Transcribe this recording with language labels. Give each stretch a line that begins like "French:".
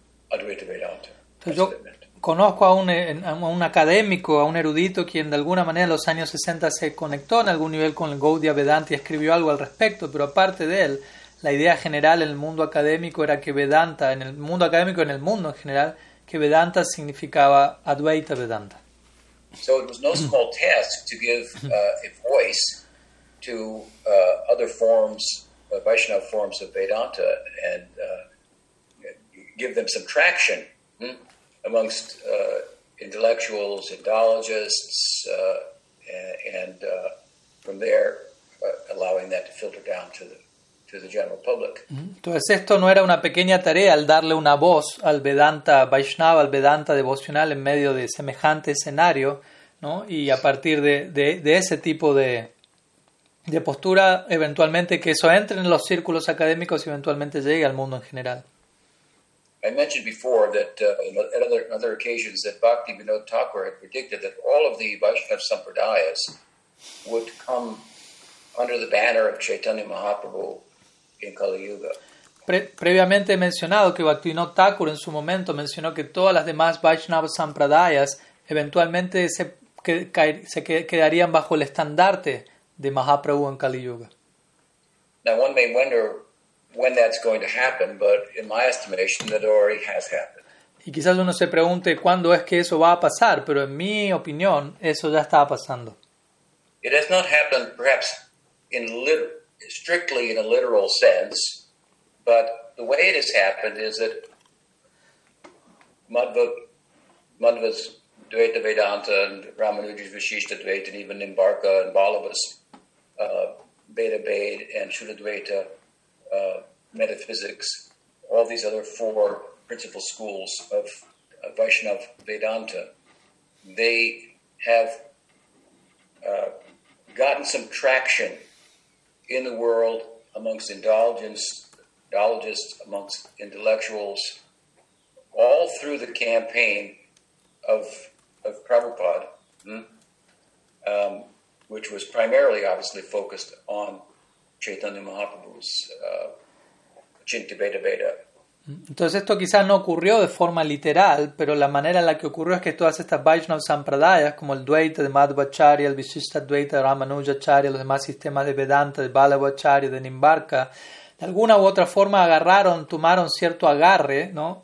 Spanish: Entonces, yo conozco a un académico, a un erudito, quien de alguna manera en los años 60 se conectó en algún nivel con el Gaudiya Vedanta y escribió algo al respecto, pero aparte de él, la idea general en el mundo académico era que Vedanta, en el mundo académico, en el mundo en general, que Vedanta significaba Advaita Vedanta.
English: So it was no small task to give a voice to other forms, Vaishnava forms of Vedanta, and give them some traction amongst intellectuals, Indologists, and from there allowing that to filter down to the general public.
Spanish: Entonces esto no era una pequeña tarea al darle una voz al Vedanta Vaishnava, al Vedanta devocional en medio de semejante escenario, ¿no? Y a partir de ese tipo de postura, eventualmente que eso entre en los círculos académicos y eventualmente llegue al mundo en general.
English: I mentioned before that at other occasions that Bhakti Vinod Thakur had predicted that all of the Vaishnava Sampradayas would come under the banner of Chaitanya Mahaprabhu in Kali Yuga.
Spanish: Previamente he mencionado que Bhakti Vinod Thakur en su momento mencionó que todas las demás Vaishnava Sampradayas eventualmente se quedarían bajo el estandarte de Mahaprabhu en Kali Yuga.
English: Now one may wonder when that's going to happen, but in my estimation, that already has happened.
Spanish: Y quizás uno se pregunte cuándo es que eso va a pasar, pero en mi opinión, eso ya estaba pasando.
English: It has not happened, perhaps, strictly in a literal sense, but the way it has happened is that Madhva's Dvaita Vedanta and Ramanuja's Vishishta Dvaita and even Nimbarka and Balabha's Veda Veda and Shuddha Dvaita metaphysics, all these other four principal schools of Vaishnava Vedanta, they have gotten some traction in the world amongst Indologists, amongst intellectuals, all through the campaign of Prabhupada, which was primarily obviously focused on Chaitanya Mahaprabhu's Chinti Veda Veda.
Spanish: Entonces esto quizás no ocurrió de forma literal, pero la manera en la que ocurrió es que todas estas Vaishnava Sampradayas, como el Dvaita de Madhvacharya, el Vishishta Dvaita de Ramanujacharya, los demás sistemas de Vedanta, de Balabhacharya, de Nimbarka, de alguna u otra forma tomaron cierto agarre, ¿no?